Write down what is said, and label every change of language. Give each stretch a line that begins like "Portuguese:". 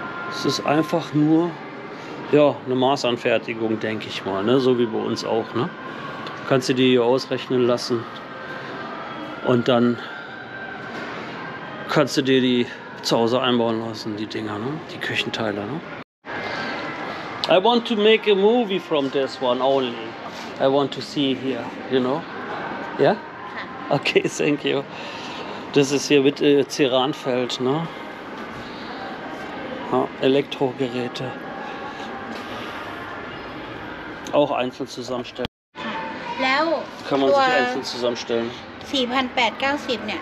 German: Es ist einfach nur, ja, eine Maßanfertigung, denke ich mal, ne? So wie bei uns auch. Ne? Kannst du dir hier ausrechnen lassen und dann kannst du dir die zu Hause einbauen lassen, die Dinger, ne? Die Küchenteile, ne?
English: I want to make a movie from this one only. I want to see here, you know? Yeah? Okay, thank you.
German: Das ist hier mit Ceranfeld, ne? Ja, Elektrogeräte. Auch einzeln zusammenstellen. Kann man sich einzeln zusammenstellen. 4890, ne?